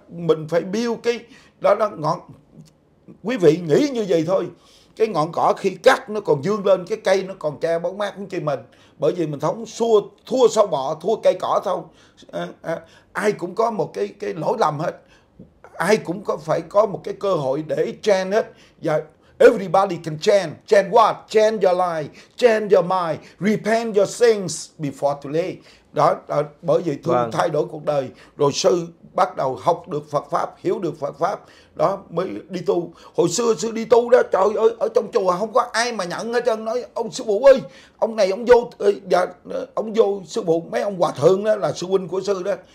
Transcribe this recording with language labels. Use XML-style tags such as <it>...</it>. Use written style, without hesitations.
<vi>Mình phải build cái đó đó, ngọn, quý vị nghĩ như vậy thôi, cái ngọn cỏ khi cắt nó còn vươn lên, cái cây nó còn che bóng mát cũng chi mình. Bởi vì mình thống xua thua sâu bọ, thua cây cỏ thôi. Ai cũng có một cái lỗi lầm hết, ai cũng có phải có một cái cơ hội để change hết.</vi> <en>Và everybody can change. Change what? Change your life, change your mind, repent your sins before too late.</en> <vi>Đó bởi vì thương vâng. Thay đổi cuộc đời rồi sư bắt đầu học được Phật pháp, hiểu được Phật pháp, đó mới đi tu. Hồi xưa sư đi tu đó, trời ơi, ở trong chùa không có ai mà nhận hết trơn, nói ông sư phụ ơi, ông này ông vô, dạ, ông vô sư phụ, mấy ông hòa thượng đó là sư huynh của sư đó.</vi>